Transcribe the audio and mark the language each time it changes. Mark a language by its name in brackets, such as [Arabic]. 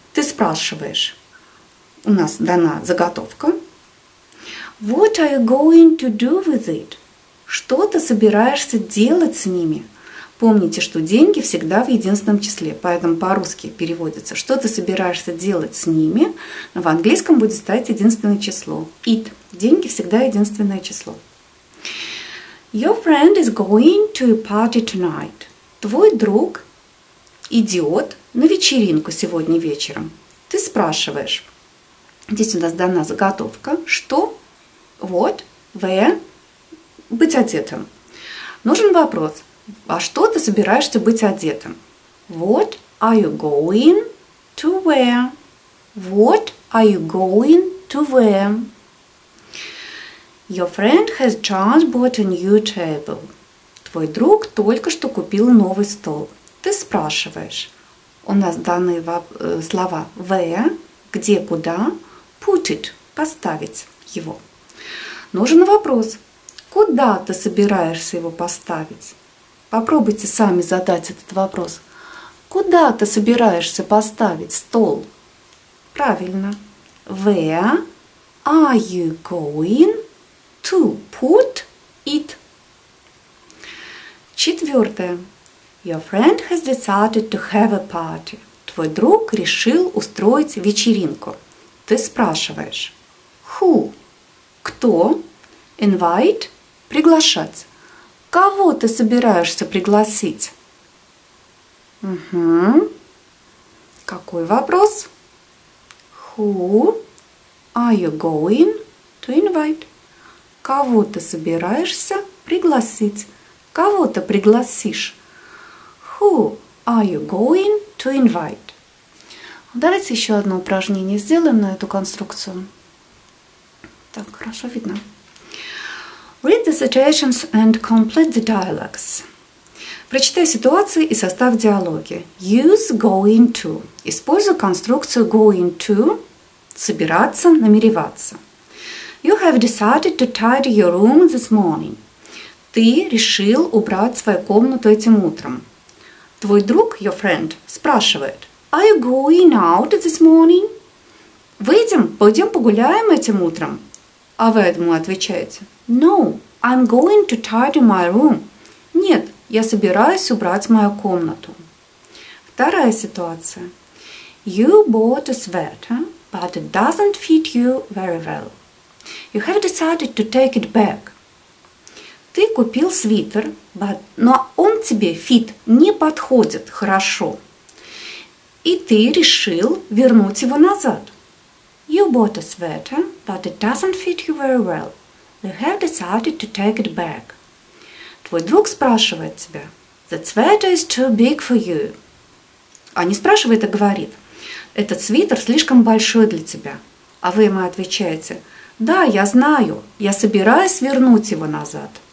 [Russian] Ты спрашиваешь. У нас дана заготовка. [English] What are you going to do with it? [Russian] Что ты собираешься делать с ними? Помните, что деньги всегда в единственном числе, поэтому по-русски переводится. Что ты собираешься делать с ними? В английском будет стать единственное число. [English] It. [Russian] Деньги всегда единственное число. [English] Your friend is going to a party tonight. [Russian] Твой друг идет на вечеринку сегодня вечером. Ты спрашиваешь. Здесь у нас дана заготовка. Что? What? Where? Быть одетым. Нужен вопрос. А что ты собираешься быть одетым? [English] What are you going to wear? What are you going to wear? Your friend has just bought a new table. [Russian] Твой друг только что купил новый стол. Ты спрашиваешь. У нас данные слова where, где, куда. Put it, поставить его. Нужен вопрос. Куда ты собираешься его поставить? Попробуйте сами задать этот вопрос. Куда ты собираешься поставить стол? Правильно. [English] Where are you going to put it? [Russian] Четвертое. [English] Your friend has decided to have a party. [Russian] Твой друг решил устроить вечеринку. Ты спрашиваешь. Who? Кто? Invite? Приглашать. Кого ты собираешься пригласить? Угу. Какой вопрос? [English] Who are you going to invite? [Russian] Кого ты собираешься пригласить? Кого ты пригласишь? [English] Who are you going to invite? [Russian] Давайте еще одно упражнение сделаем на эту конструкцию. Так, хорошо видно. [English] Read the situations and complete the dialogues. [Russian] Прочитай ситуации и составь диалоги. [English] Use going to. [Russian] Используй конструкцию going to. Собираться, намереваться. [English] You have decided to tidy your room this morning. [Russian] Ты решил убрать свою комнату этим утром. Твой друг, [English] your friend, [Russian] спрашивает. [English] Are you going out this morning? [Russian] Выйдем, пойдем погуляем этим утром. А вы этому отвечаете. [English] No, I'm going to tidy my room. [Russian] Нет, я собираюсь убрать мою комнату. Вторая ситуация. [English] You bought a sweater, but it doesn't fit you very well. You have decided to take it back. [Russian] Ты купил свитер, но он тебе fit не подходит хорошо. И ты решил вернуть его назад. [English] You bought a sweater, but it doesn't fit you very well. You have decided to take it back. [Russian] Твой друг спрашивает тебя. [English] That sweater is too big for you. [Russian] А не спрашивает, а говорит. Этот свитер слишком большой для тебя. А вы ему отвечаете. Да, я знаю. Я собираюсь вернуть его назад.